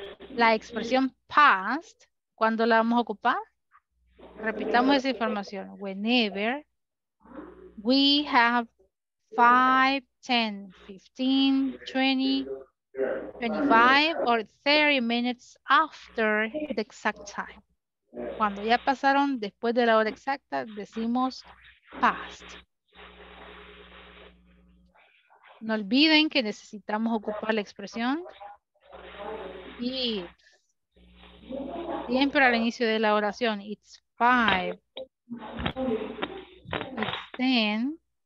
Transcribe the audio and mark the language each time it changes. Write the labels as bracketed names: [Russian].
[Spanish] La expresión past, ¿cuándo la vamos a ocupar? Repitamos esa información. [English] Whenever we have 5, 10, 15, 20, 25, or 30 minutes after the exact time. [Spanish] Cuando ya pasaron después de la hora exacta, decimos past. No olviden que necesitamos ocupar la expresión it's. Siempre al inicio de la oración, [English] it's 5. It's 10.